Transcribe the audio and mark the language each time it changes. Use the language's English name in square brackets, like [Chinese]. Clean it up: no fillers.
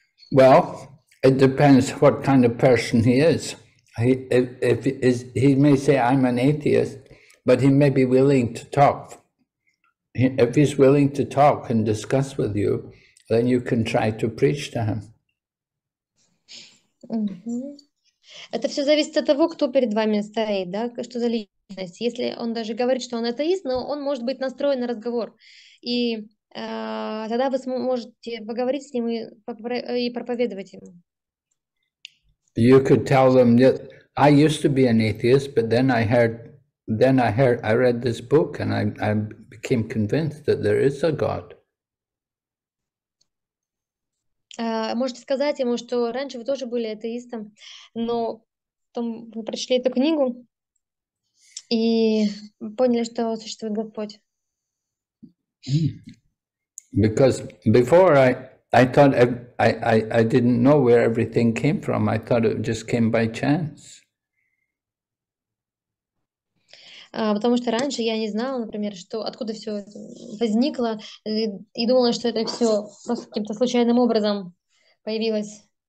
[English] Well, it depends what kind of person he is. He may say, I'm an atheist, but he may be willing to talk. If he's willing to talk and discuss with you, then you can try to preach to him. [Russian] Это все зависит от того, кто перед вами стоит, да, что за личность. Если он даже говорит, что он атеист, но он может быть настроен на разговор. И тогда вы сможете поговорить с ним и проповедовать ему. [English] You could tell them that I used to be an atheist, but then I read this book and I became convinced that there is a God. [Russian] Можете сказать ему, что раньше вы тоже были атеистом, но потом вы прочли эту книгу и поняли, что существует Господь. [English] Because before I thought I didn't know where everything came from. I thought it just came by chance. [Russian] Потому что раньше я не знала, например, что откуда все возникло, и думала, что это все просто каким-то случайным образом появилось.